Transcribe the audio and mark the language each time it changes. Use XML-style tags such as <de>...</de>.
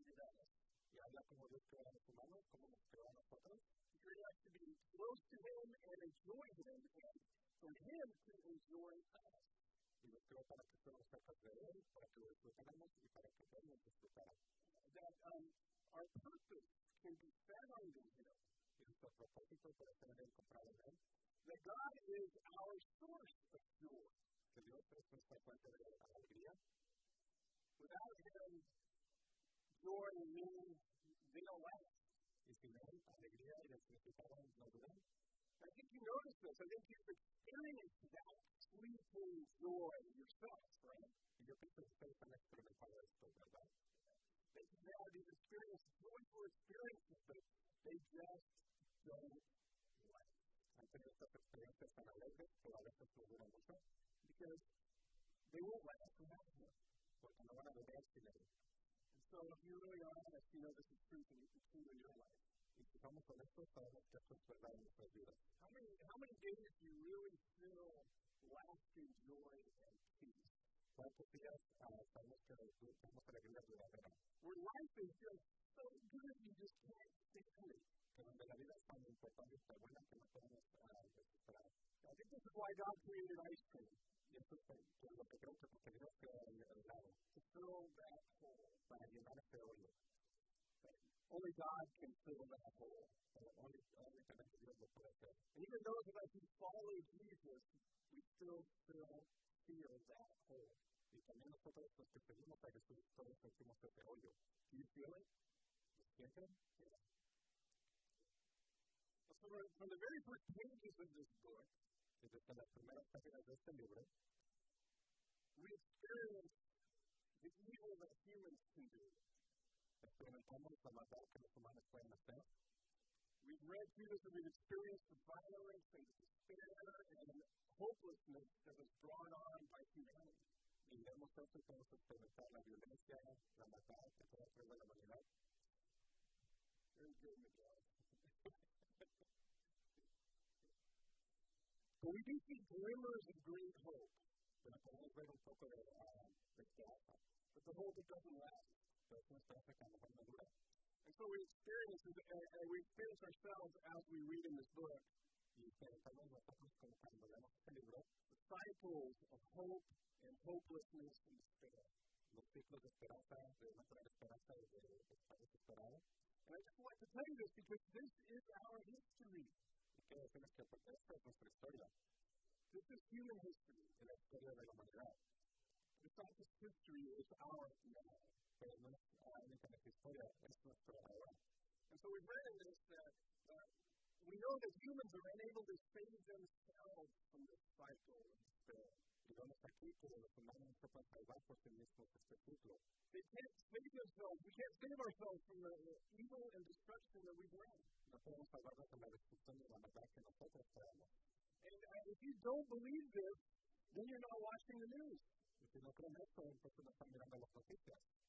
<es>Y habla como Dios creó a los humanos, como nos creó a nosotros.</es> <en>He created us to be close to Him and enjoy Him, and for Him to enjoy us.</en> <es>Y nos creó para que fuéramos cerca de Él, para que lo disfrutáramos y para que podamos disfrutar.</es> <en>That our purpose can be found in Him.</en> <es>Y nuestro propósito puede ser encontrado en Él.</es> <en>That God is our source of joy.</en> <es>Que Dios es nuestra fuente de alegría.</es> <en>Without Him, joy and meaning, they don't last.</en> <es>Y sin Él, alegría y el significado no duran.</es> <en>I think you noticed this. I think you've experienced that sleeping joy yourself, right?</en> <es>Y yo pienso que ustedes han experimentado esto, ¿verdad?</es> <en>They've had these experiences, joyful experiences, but they just don't last.</en> <es>Han tenido estas experiencias tan alegres, pero a veces no duran mucho.</es> <en>Because they won't last forever.</en> <es>Porque no van a durar sin Él.</es> <en>And so, if you're really honest, you know this is true, and it's true in your life.</en> <es>Y si somos honestos, sabemos que esto es verdad en nuestras vidas.</es> <en>How many days do you really feel lasting joy and peace?</en> <es>¿Cuántos días sabemos que tenemos alegría duradera?</es> <en>Where life is just so good, you just can't stand it.</en> <es>Que donde la vida es tan importante y tan buena que no podemos desesperar.</es> <en>I think this is why God created ice cream.</en> <es>Y eso es lo que creo que porque Dios creó el helado.</es> <en>To fill that hole.</en> <es>Para llenar ese hoyo.</es> <en>Only God can fill that hole. Pero only God can fill that hole. And even those of us who follow Jesus, we still feel that hole.</en> <es>Y también nosotros los que seguimos a Jesús, todos sentimos ese hoyo.</es> <en>Do you feel it?</en> <es>¿Lo sienten?</es> <en>Yeah. So from the very first pages of this book,</en> <es>desde que las primeras páginas de este libro,</es> <en>we experience the evil that humans can do.</en> <es>Experimentamos la maldad que los humanos pueden hacer.</es> <en>We've read through this and we've experienced the violence and despair and hopelessness that was brought on by humanity.</en> <es>Y vemos esto que hemos experimentado la violencia, la maldad que todo fue de la humanidad.</es> <en>Very good, Miguel. But we do see glimmers of great hope.</en> <es>Pero podemos ver un poco de esperanza.</es> <en>But the hope doesn't last.</en> <es>Pero es una esperanza que a lo mejor no dura.</es> <en>And so we experience ourselves as we read in this book.</en> <es>Y experimentamos nosotros como cuando leemos este libro.</es> <en>The cycles of hope and hopelessness and despair.</en> <es>Los ciclos de esperanza, de no tener esperanza y de estar desesperado.</es> <en>And I just want to tell you this because this is our history.</en> <es>Quiero decirles que porque esta es nuestra historia.</es> <en>This is human history.</en> <es>Es la historia de la humanidad.</es> <en>But it's not just history, it's our now.</en> <es>Pero no es únicamente historia, es nuestro ahora.</es> <en>And so we've read in this that we know that humans are unable to save themselves from this cycle of despair.</en> <es>Y vemos aquí que los humanos no se pueden salvar por sí mismos este ciclo.</es> <en>They can't save themselves. We can't save ourselves from the evil and destruction that we've read.</en> <es>No podemos salvarnos de la destrucción y la maldad que nosotros traemos.</es> <en>And if you don't believe this, then you're not watching the news.</en> <es>Y si no creen esto, entonces no están mirando las noticias.</es>